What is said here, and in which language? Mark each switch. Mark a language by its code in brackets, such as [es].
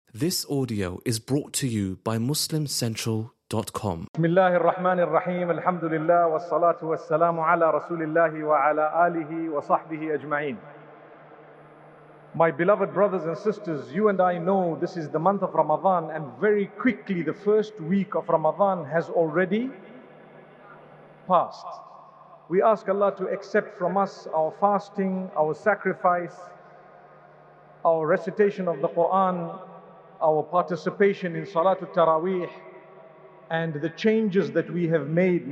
[en] This audio is brought to you by MuslimCentral.com. [ar] بسم الله الرحمن الرحيم الحمد لله والصلاة والسلام على رسول الله وعلى آله وصحبه أجمعين. [en] My beloved brothers and sisters, you and I know this is the month of Ramadan, and very quickly the first week of Ramadan has already passed. We ask Allah to accept from us our fasting, our sacrifice, our recitation of the Quran, our participation in Salatul Taraweeh, and the changes that we have made.